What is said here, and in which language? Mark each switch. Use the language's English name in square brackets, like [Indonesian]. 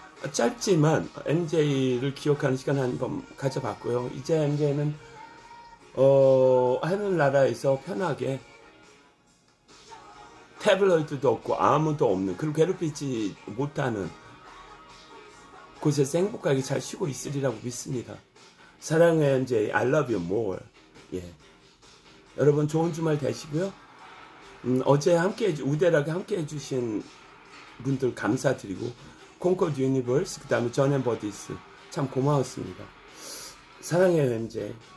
[Korean] 짧지만 MJ를 기억하는 시간 한번 가져봤고요. 이제 MJ는 하늘나라에서 편하게 태블로이드도 없고 아무도 없는 그리고 괴롭히지 못하는 곳에서 행복하게 잘 쉬고 있으리라고 믿습니다. 사랑해 MJ, [English] I love you more. [Korean] 여러분 좋은 주말 되시고요. 어제 함께 우대락에 함께 해주신 분들 감사드리고. 콘코드 유니버스, 그 다음에 전앤버디스. 참 고마웠습니다. 사랑해요, 현재.